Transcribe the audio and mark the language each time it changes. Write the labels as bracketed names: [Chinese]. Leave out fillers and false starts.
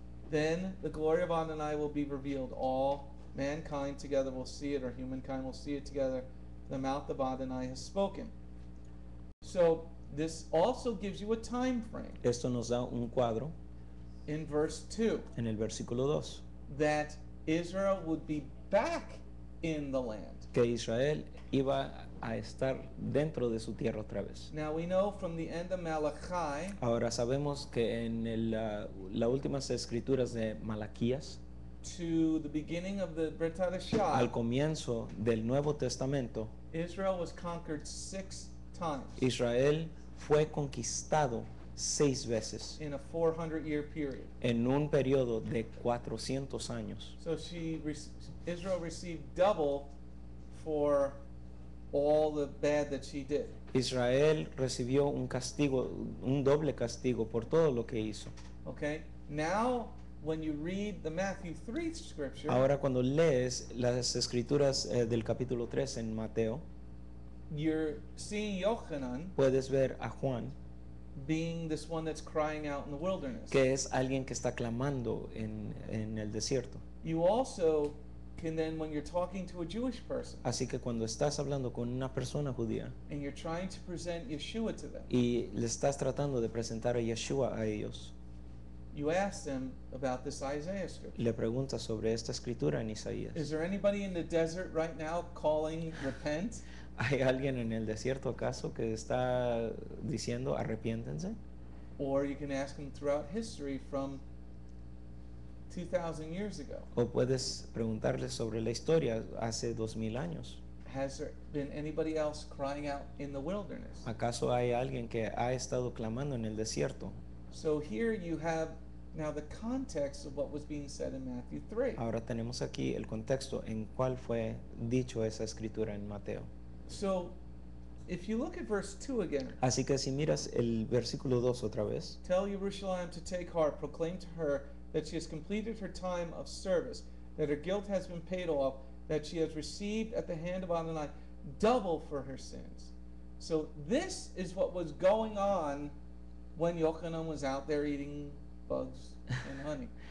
[English] Then the glory of Adonai will be revealed. All mankind together will see it, or humankind will see it together. The mouth of Adonai has spoken. So this also gives you a time frame. [Spanish] Esto nos da un cuadro. [English] In verse 2. [Spanish] En el versículo 2. [English] That Israel would be back in the land. [Spanish] Que Israel iba a estar dentro de su tierra otra vez. [English] Now we know from the end of Malachi. [Spanish] Ahora sabemos que en las últimas escrituras de Malaquías. [English] To the beginning of the Brit Hadashah. [Spanish] Al comienzo del Nuevo Testamento. [English] Israel was conquered 6 times. [Spanish] Israel fue conquistado 6 veces. [English] In a 400 year period. [Spanish] En un periodo de 400 años. [English] So she Israel received double for all the bad that she did. [Spanish] Israel recibió un castigo, un doble castigo por todo lo que hizo. [English] Okay. Now when you read the Matthew 3 scripture. [Spanish] Ahora cuando lees las escrituras del capítulo 3 en Mateo. [English] You're seeing Yochanan. [Spanish] Puedes ver a Juan. [English] Being this one that's crying out in the wilderness. [Spanish] Que es alguien que está clamando en el desierto. [English] You also can then, when you're talking to a Jewish person. [Spanish] Así que cuando estás hablando con una persona judía. [English] And you're trying to present Yeshua to them. [Spanish] Y le estás tratando de presentar a Yeshua a ellos. [English] You ask them about this Isaiah scripture. [Spanish] Le pregunta sobre esta escritura en Isaías. [English] Is there anybody in the desert right now calling repent? [Spanish] ¿Hay alguien en el desierto acaso que está diciendo arrepiéntense? [English] Or you can ask them throughout history from 2,000 years ago. [Spanish] O puedes preguntarles sobre la historia hace 2,000 años. [English] Has there been anybody else crying out in the wilderness? [Spanish] ¿Acaso hay alguien que ha estado clamando en el desierto? [English] So here you have now the context of what was being said in Matthew 3. [Spanish] Ahora tenemos aquí el contexto en cuál fue dicho esa escritura en Mateo. [English] So if you look at verse 2 again. [Spanish] Así que si miras el versículo 2 otra vez. [English] Tell Jerusalem to take heart, proclaim to her that she has completed her time of service, that her guilt has been paid off, that she has received at the hand of Adonai double for her sins. So this is what was going on when Yochanan was out there eating bugs and honey.